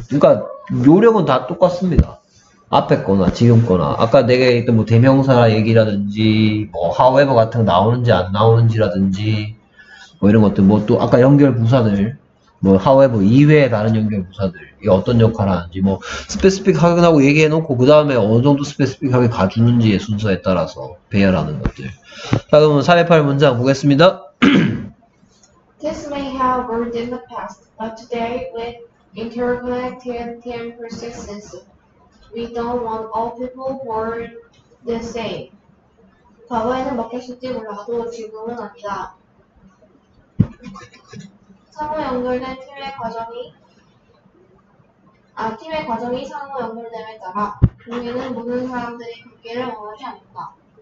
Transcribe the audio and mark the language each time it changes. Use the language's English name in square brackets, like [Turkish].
[Korean] 그러니까 요령은 다 똑같습니다. 앞에 거나 지금 거나 아까 내가 얘기했던 뭐 대명사 얘기라든지 뭐 however 같은 거 나오는지 안 나오는지라든지 뭐 이런 것들 뭐 또 아까 연결 부사들 뭐 however 이외의 다른 연결 부사들 이게 어떤 역할을 하는지 뭐 스페시픽 확인하고 얘기해 놓고 그 다음에 어느 정도 스페시픽하게 가주는지의 순서에 따라서 배열하는 것들. 자 그러면 삽입할 문장 보겠습니다. [English] This may have worked in the past, but today with interconnected processes, we don't want all people to work the same. [Korean] 과거에는 먹혔을지 몰라도 지금은 아니다. 상호 연결된 팀의 과정이 팀의 과정이 상호 연결됨에 따라 우리는 모든 사람들이 관계를 원하지 않는다.